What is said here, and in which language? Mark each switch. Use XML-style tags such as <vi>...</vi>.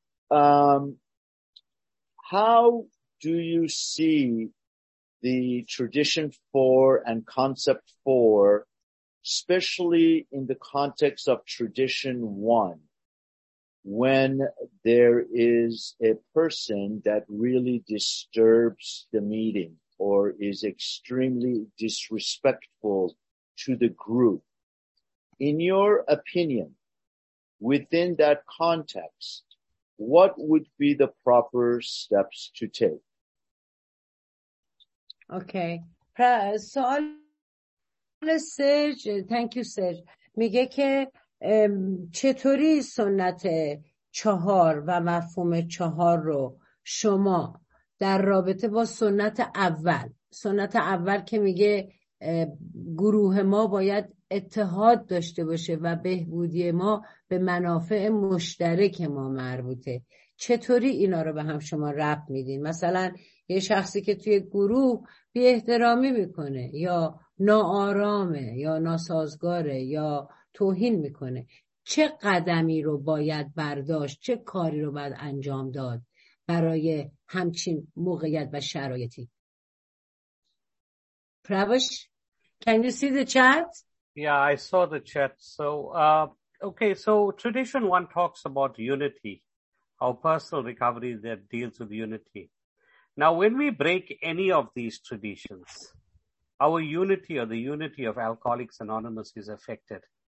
<en>How do you see the tradition for and concept for, especially in the context of tradition one, when there is a person that really disturbs the meeting or is extremely disrespectful to the group? In your opinion, within that context, what would be the proper steps to take? Okay.</en> <fa>سوال سرج، تانکیو سرج، میگه که چطوری سنت چهار و مفهوم چهار رو شما در رابطه با سنت اول، سنت اول که میگه گروه ما باید اتحاد داشته باشه و بهبودی ما به منافع مشترک ما مربوطه، چطوری اینا رو به هم شما ربط میدین؟ مثلا یه شخصی که توی گروه بی احترامی میکنه یا ناآرامه یا ناسازگاره یا توهین میکنه، چه قدمی رو باید برداشت، چه کاری رو باید انجام داد برای همچین موقعیت و شرایطی؟</fa> <en>Pravesh, can you see the chat? Yeah, I saw the chat. So, okay, so tradition one talks about unity, how personal recovery that deals with unity. Now, when we break any of these traditions, our unity or the unity of Alcoholics Anonymous is affected.</en>